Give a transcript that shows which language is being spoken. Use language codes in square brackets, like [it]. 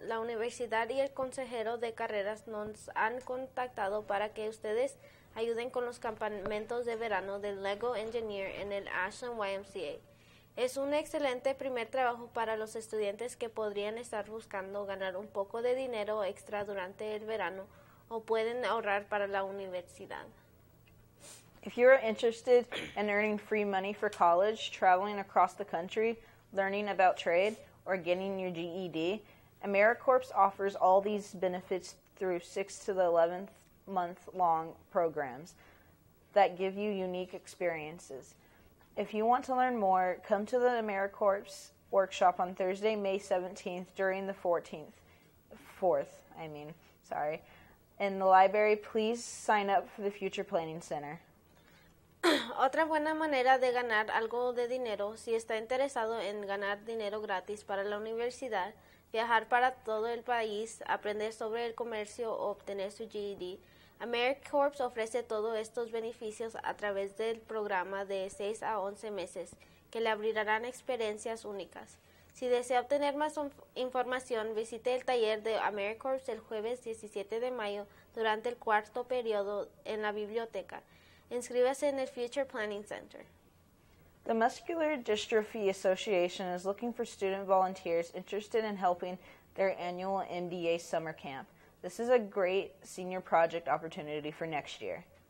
[es] La universidad y el consejero de carreras nos han contactado para que ustedes ayuden con los campamentos de verano del LEGO Engineer en el Ashland YMCA. Es un excelente primer trabajo para los estudiantes que podrían estar buscando ganar un poco de dinero extra durante el verano o pueden ahorrar para la universidad. [en] If you are interested in earning free money for college, traveling across the country, learning about trade, or getting your GED. AmeriCorps offers all these benefits through 6 to the 11th month long programs that give you unique experiences. If you want to learn more, come to the AmeriCorps workshop on Thursday, May 17th during the 4th, in the library. Please sign up for the Future Planning Center. [es] Otra buena manera de ganar algo de dinero, si está interesado en ganar dinero gratis para la universidad, viajar para todo el país, aprender sobre el comercio o obtener su GED, AmeriCorps ofrece todos estos beneficios a través del programa de 6 a 11 meses, que le abrirán experiencias únicas. Si desea obtener más información, visite el taller de AmeriCorps el jueves 17 de mayo durante el cuarto periodo en la biblioteca. Inscríbase en el Future Planning Center. [en] The Muscular Dystrophy Association is looking for student volunteers interested in helping their annual MDA summer camp. This is a great senior project opportunity for next year.